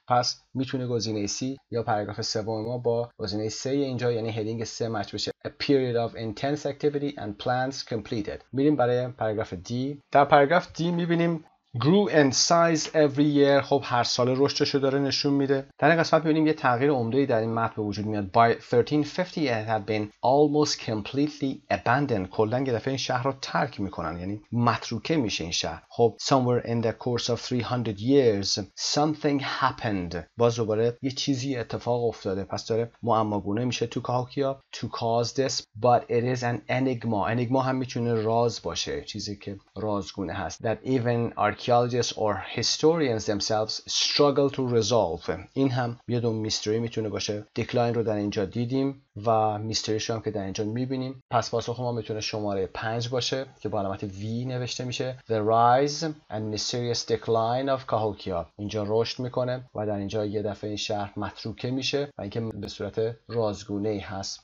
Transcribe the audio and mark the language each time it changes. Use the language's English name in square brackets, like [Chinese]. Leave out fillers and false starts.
[Persian] پس میتونه گزینه C یا پاراگراف سوم ما با گزینه C اینجا یعنی heading 3 match بشه، [English] a period of intense activity and plans completed. [Persian] میریم برای پاراگراف D. در پاراگراف D میبینیم [English] grew in size every year. [Persian] خب هر سال رشدش رو داره نشون میده. در این قسمت می‌بینیم یه تغییر عمده‌ای در این متن به وجود میاد. [English] By 1350 it had been almost completely abandoned. [Persian] کلاً یه دفعه این شهر رو ترک می‌کنن، یعنی متروکه میشه این شهر. [English] خب somewhere in the course of 300 years something happened. [Persian] باز دوباره یه چیزی اتفاق افتاده. پس داره معماگونه میشه تو کاهوکیا [English] to cause this, but it is an enigma. [Persian] Enigma هم میتونه راز باشه، چیزی که رازگونه هست. [English] That even archaeologists or historians themselves struggle to resolve. [Persian] این هم یه دون میستری میتونه باشه. دکلاین رو در اینجا دیدیم و میستریش رو هم که در اینجا میبینیم. پس پاسخ ما میتونه شماره 5 باشه که با علامت V نوشته میشه. [English] The rise and mysterious decline of Cahokia. [Persian] اینجا رشد میکنه و در اینجا یه دفعه این شهر متروکه میشه و اینکه به صورت رازگونه هست.